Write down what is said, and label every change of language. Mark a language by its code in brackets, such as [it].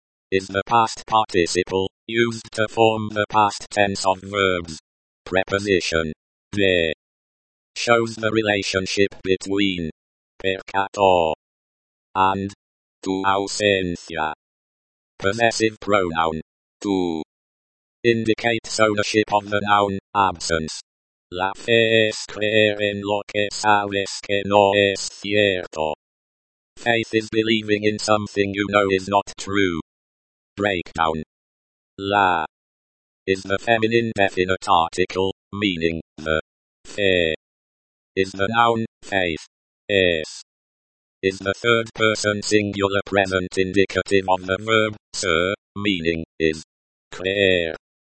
[en] Is the past participle, used to form the past tense of verbs. Preposition. De. Shows the relationship between. Percató. And. Tu ausencia. Possessive pronoun. Tu. Indicates ownership of the noun, absence. [es] La fe es creer en lo que sabes que no es cierto. [en] Faith is believing in something you know is not true. Breakdown. La. Is the feminine definite article, meaning, the. Fe. Is the noun, faith. Es. Is the third person singular present indicative of the verb, sir, meaning, is. Creer.